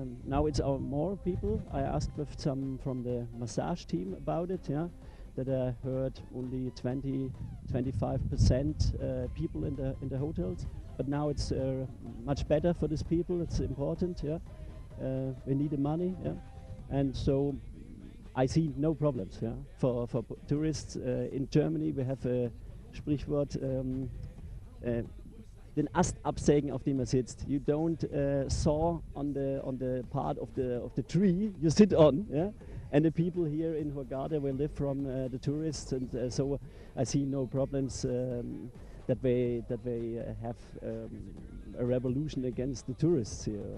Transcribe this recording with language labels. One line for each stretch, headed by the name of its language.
English: Now it's our more people. I asked with some from the massage team about it, yeah, that I heard only 20-25% people in the hotels. But now it's much better for these people. It's important, yeah. We need the money, yeah. And so I see no problems, yeah, for tourists. In Germany we have a
German: Sprichwort, den Ast absägen, auf dem er sitzt.
English: You don't saw on the part of the tree you sit on, yeah. And the people here in Hurghada will live from the tourists, and so I see no problems that we have a revolution against the tourists here.